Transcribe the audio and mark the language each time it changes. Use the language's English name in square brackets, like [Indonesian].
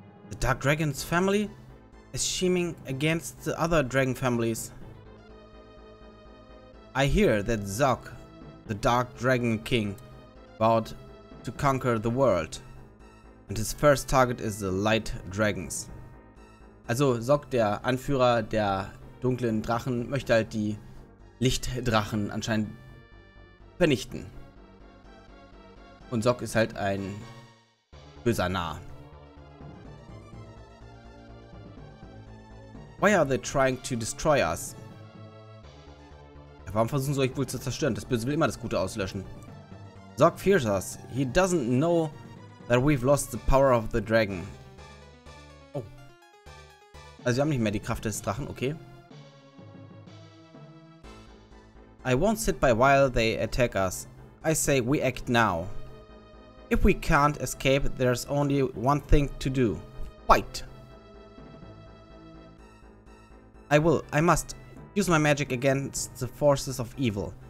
[English] The dark dragon's family is scheming against the other dragon families. I hear that Zog, the dark dragon king, vowed to conquer the world. And his first target is the light dragons. [German] Also Zog, der Anführer der dunklen Drachen, möchte halt die Lichtdrachen anscheinend vernichten. Und Zog ist halt ein böser Narr. [English] Why are they trying to destroy us? [German] Warum versuchen sie euch wohl zu zerstören? Das Böse will immer das Gute auslöschen. [English] Zog fears us. He doesn't know that we've lost the power of the dragon. Oh. [German] Also wir haben nicht mehr die Kraft des Drachen, okay. [English] I won't sit by while they attack us. I say we act now. If we can't escape, there's only one thing to do. Fight! I will, I must use my magic against the forces of evil.